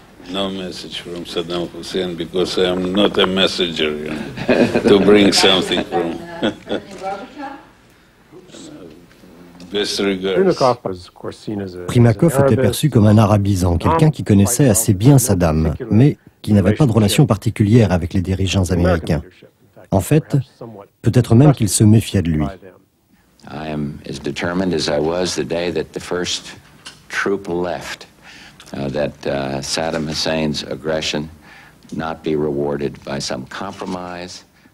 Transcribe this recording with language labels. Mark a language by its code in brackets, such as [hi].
[en] No message from Saddam Hussein because I am not a messenger, you know, to bring something from. [fr] Primakov était perçu comme un arabisant, quelqu'un qui connaissait assez bien Saddam, mais qui n'avait pas de relation particulière avec les dirigeants américains. En fait, peut-être même qu'il se méfiait de lui. [en] I am as determined as I was the day that the first troop left, that Saddam Hussein's aggression not be rewarded by some compromise.